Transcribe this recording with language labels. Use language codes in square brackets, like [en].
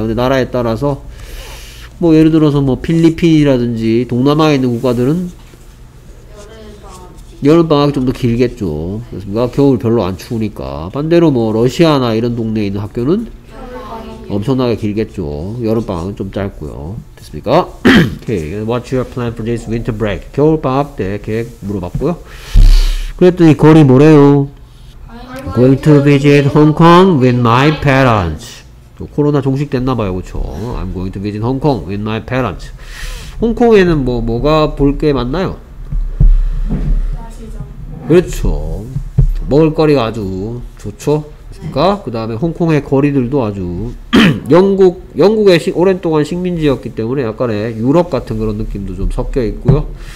[ko] 근데 나라에 따라서 뭐 예를 들어서 뭐 필리핀이라든지 동남아에 있는 국가들은 여름방학이 좀 더 길겠죠. 그렇습니까? 겨울 별로 안 추우니까. 반대로 뭐 러시아나 이런 동네에 있는 학교는 엄청나게 길겠죠. 여름방학은 좀 짧고요. 됐습니까? Okay. [en] What's your plan for this winter break? [ko] 겨울방학 때 계획 물어봤고요. 그랬더니 거리 뭐래요? [en] I'm going to visit Hong Kong with my parents. [ko] 코로나 종식됐나봐요. 그쵸? [en] I'm going to visit Hong Kong with my parents. [ko] 홍콩에는 뭐가 볼 게 많나요? 그렇죠. 먹을거리가 아주 좋죠. 그니까 그 다음에 홍콩의 거리들도 아주 영국의 오랜동안 식민지였기 때문에 약간의 유럽 같은 그런 느낌도 좀 섞여 있고요.